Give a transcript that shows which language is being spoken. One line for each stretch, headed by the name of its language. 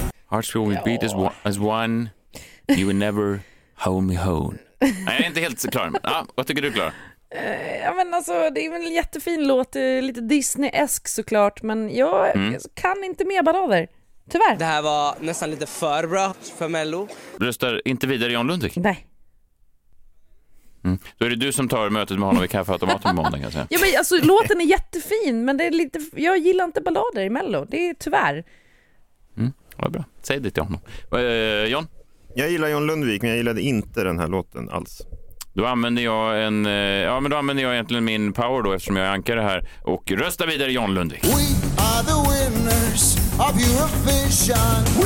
English: Hearts will be beat as one. You will never hold me home.
Swedish: Nej, jag är inte helt klar. Men, vad tycker du, Clara? Ja, men alltså, det är en jättefin låt. Lite Disney-esk såklart. Men jag kan inte mer ballader. Tyvärr. Det här var nästan lite för bra för Mello. Röstar inte vidare John Lundvik? Nej. Då är det du som tar mötet med honom i kaffeautomaten på måndag. Alltså. Ja, men alltså, låten är jättefin, men det är lite, jag gillar inte ballader i Mello. Det är tyvärr. Mm, vad bra. Säg det till honom. John? Jag gillar John Lundvik, men jag gillade inte den här låten alls. Då använder jag en, ja, men då använder jag egentligen min power då, eftersom jag ankar det här, och rösta vidare John Lundvik.
English: We are the winners of Eurovision.